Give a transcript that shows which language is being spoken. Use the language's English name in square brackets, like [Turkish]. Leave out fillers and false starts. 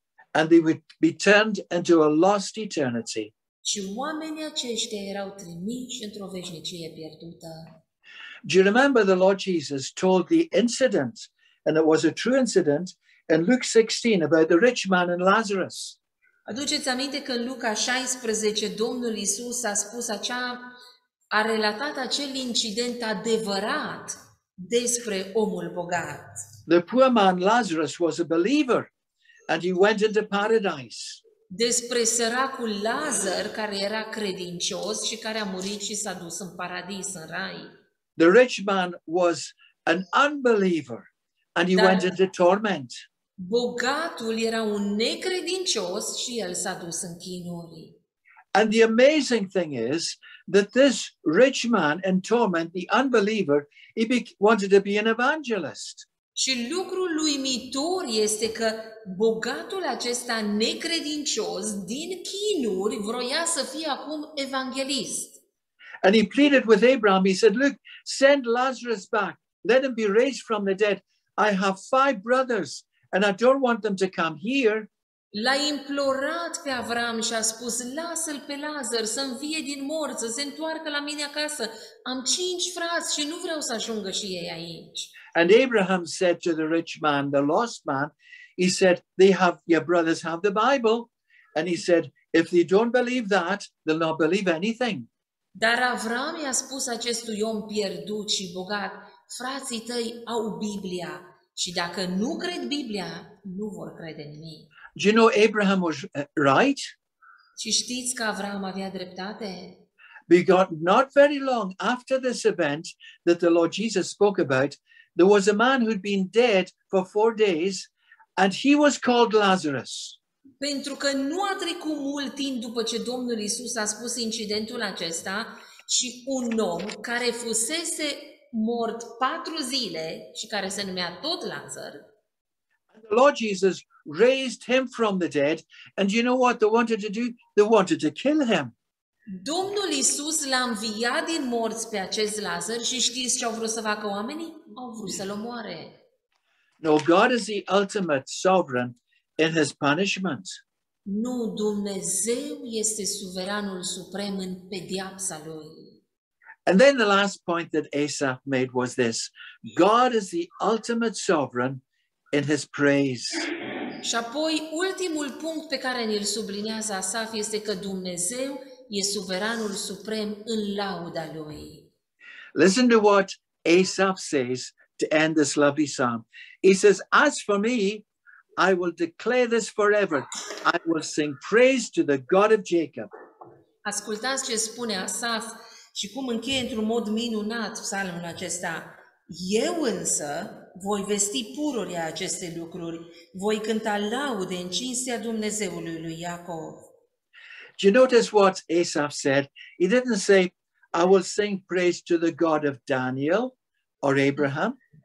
[English] And they would be turned into a lost eternity. [Romanian] Și oamenii aceștia erau trimiși într-o veșnicie pierdută. [English] Do you remember the Lord Jesus told the incident, and it was a true incident, in Luke 16 about the rich man and Lazarus? [Romanian] Aduceți aminte că în Luca 16 Domnul Iisus a spus acea, a relatat acel incident adevărat despre omul bogat. [English] The poor man Lazarus was a believer and he went into paradise. [Romanian] Despre săracul Lazar care era credincios și care a murit și s-a dus în paradis, în rai. [English] The rich man was an unbeliever and he went into torment. [Romanian] Bogatul era un necredincios și el s-a dus în chinuri. [English] And the amazing thing is that this rich man in torment, the unbeliever, wanted to be an evangelist. [Romanian] Și lucrul uimitor este că bogatul acesta necredincios din chinuri vroia să fie acum evanghelist. [English] And he pleaded with Abraham, he said, look, send Lazarus back, let him be raised from the dead. I have five brothers and I don't want them to come here. [Romanian] L-a implorat pe Avram și a spus, lasă-l pe Lazar să învie din morți, să se întoarcă la mine acasă. Am cinci frați și nu vreau să ajungă și ei aici. [English] And Abraham said to the rich man, the lost man, he said, they have, your brothers have the Bible. And he said, if they don't believe that, they'll not believe anything. [Romanian] Dar Avram i-a spus acestui om pierdut și bogat, frații tăi au Biblia și dacă nu cred Biblia, nu vor crede nimic. [English] Do you know Abraham was right? [Romanian] Și știți că Avram avea dreptate? [English] We got not very long after this event that the Lord Jesus spoke about, there was a man who'd been dead for 4 days and he was called Lazarus. [Romanian] Pentru că nu a trecut mult timp după ce Domnul Iisus a spus incidentul acesta și un om care fusese mort 4 zile și care se numea tot Lazar. [English] And the Lord Jesus raised him from the dead and you know what they wanted to do? They wanted to kill him. [Romanian] Domnul Iisus l-a înviat din morți pe acest Lazar și știți ce au vrut să facă oamenii? Au vrut să-l omoare. [English] No, God is the ultimate sovereign in his punishment. [Romanian] Nu, Dumnezeu este suveranul suprem în pediapsa lui. [English] And then the last point that Asaf made was this. God is the ultimate sovereign in his praise. [Romanian] Și apoi ultimul punct pe care ne-l sublinează Asaf este că Dumnezeu e suveranul suprem în lauda lui. [English] Listen to what Asaf says to end this lovely psalm. He says, as for me, I will declare this forever. I will sing praise to the God of Jacob. [Romanian] Ascultați ce spune Asaf și cum încheie într-un mod minunat psalmul acesta. Eu însă voi vesti pururile aceste lucruri. Voi cânta laude în cinstea Dumnezeului lui Iacov. [English] Do you notice what Asaf said? He didn't say, I will sing praise to the God of Daniel or Abraham.